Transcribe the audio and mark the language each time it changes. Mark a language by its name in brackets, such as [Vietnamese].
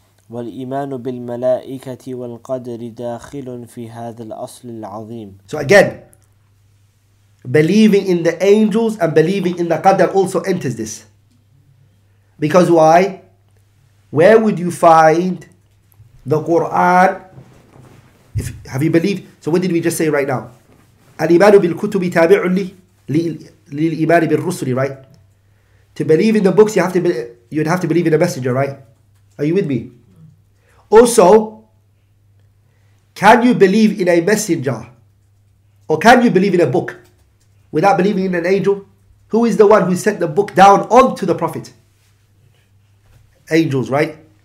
[Arabic] والإيمان بالملائكة والقدر داخل في هذا الأصل العظيم. [English] So again, believing in the angels and believing in the Qadr also enters this. Because why? Where would you find the Quran? If have you believed? So what did we just say right now? [Arabic] الإيمان بالكتب تابع للإيمان بالرسل, right? [English] To believe in the books, you'd have to believe in the messenger, right? Are you with me? Also, can you believe in a messenger, or can you believe in a book without believing in an angel? Who is the one who sent the book down onto the Prophet? Angels, right?